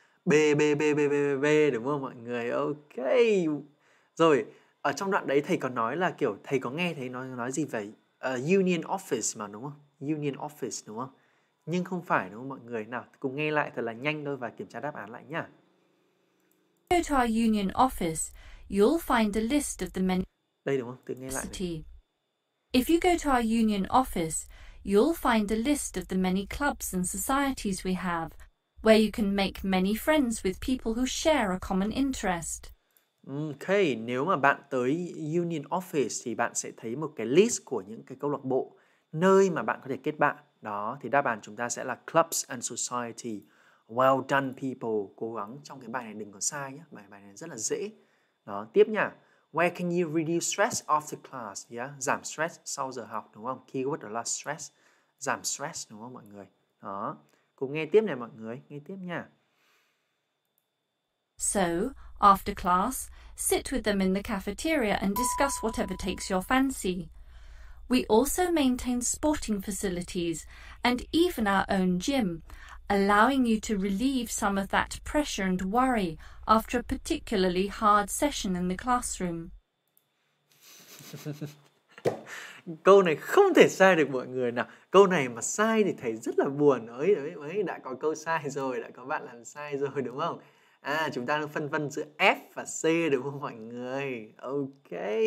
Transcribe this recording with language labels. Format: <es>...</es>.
<vi>B, đúng không mọi người? Ok. Rồi, ở trong đoạn đấy thầy có nói là kiểu thầy có nghe thấy nói gì vậy? Union Office mà đúng không? Union Office đúng không? Nhưng không phải đúng không mọi người? Nào, cùng nghe lại thật là nhanh thôi và kiểm tra đáp án lại nhá.</vi> <en>Go to our Union Office, you'll find a list of the many...</en> <vi>Đây đúng không? Tự nghe lại này.</vi> <en>If you go to our Union Office, you'll find a list of the many clubs and societies we have, where you can make many friends with people who share a common interest.</en> <vi>Ok, nếu mà bạn tới Union Office thì bạn sẽ thấy một cái list của những cái câu lạc bộ nơi mà bạn có thể kết bạn. Đó, thì đáp án chúng ta sẽ là clubs and society.</vi> <en>Well done people,</en> <vi>cố gắng trong cái bài này đừng có sai nhé, bài này rất là dễ. Đó, tiếp nha.</vi> <en>Where can you reduce stress after class? Yeah,</en> <vi>giảm stress sau giờ học đúng không? Keyword đó là stress, giảm stress đúng không mọi người? Đó, cùng nghe tiếp này mọi người, nghe tiếp nha.</vi> <en>So, after class, sit with them in the cafeteria and discuss whatever takes your fancy. We also maintain sporting facilities and even our own gym, allowing you to relieve some of that pressure and worry after a particularly hard session in the classroom.</en> <vi>Câu này không thể sai được mọi người nào. Câu này mà sai thì thầy rất là buồn. Ấy, đã có câu sai rồi, đã có bạn làm sai rồi đúng không? À, chúng ta đang phân vân giữa F và C đúng không mọi người? Ok.</vi>